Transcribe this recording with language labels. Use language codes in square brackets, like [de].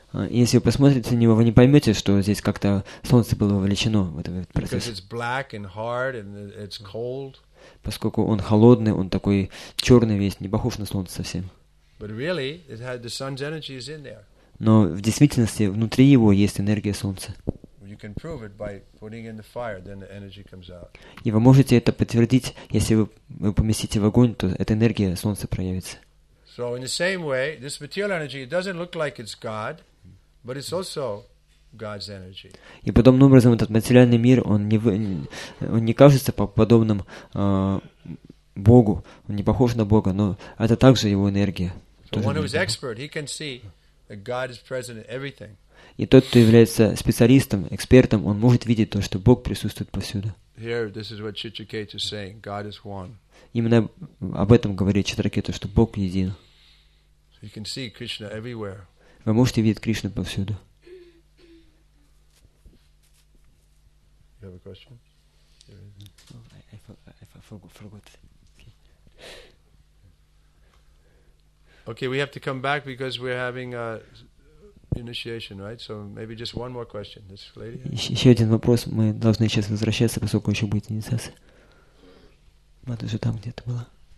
[ru] Если вы посмотрите на него, вы не поймете, что здесь как-то солнце было вовлечено в этот процесс. [en] It's black and hard and it's cold. [ru] Поскольку он холодный, он такой черный весь, не похож на солнце совсем. [en] But really, it had the sun's energy is in there. [ru] Но в действительности внутри его есть энергия солнца. [en] You can prove it by putting in the fire, then the energy comes out. [ru] И вы можете это подтвердить, если вы поместите в огонь, то эта энергия солнца проявится. [en] So in the same way, this material energy, it doesn't look like it's God, but it's also God's energy. [ru] И подобным образом этот материальный мир, он не кажется подобным Богу, он не похож на Бога, но это также его энергия. [en] So one who is expert, he can see that God is present in everything. [ru] И тот, кто является специалистом, экспертом, он может видеть то, что Бог присутствует повсюду. [en] Here, this is what Chitraketu is saying. God is one. [ru] Именно об этом говорит Читракету, что Бог един. [en] You can see Krishna everywhere. [ru] Вы можете видеть Кришну повсюду. [en] You have a question? I forgot. Okay, we have to come back because we're having a initiation, right? So maybe just one more question. This lady. [ru] Еще один вопрос. Мы должны сейчас возвращаться, поскольку еще будет инициация. Мать уже там где-то была.